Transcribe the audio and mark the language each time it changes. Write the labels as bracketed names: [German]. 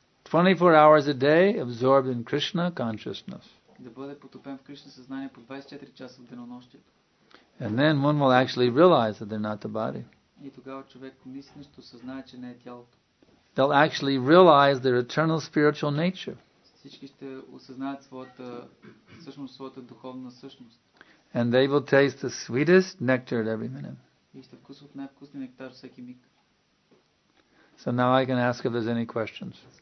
[English] 24 hours a day absorbed in Krishna consciousness. [Bulgarian] Да бъде потопен в Кришна съзнание по 24 часа в денонощието. [English] And then one will actually realize that they're not the body. [Bulgarian] И тогава човек наистина ще осъзнае, че не е тялото. [English] They'll actually realize their eternal spiritual nature. [Bulgarian] Всички ще осъзнаят своята духовна същност. [English] And they will taste the sweetest nectar at every minute. [Bulgarian] И ще вкусват най-вкусния нектар всеки миг. [English] So now I can ask if there's any questions.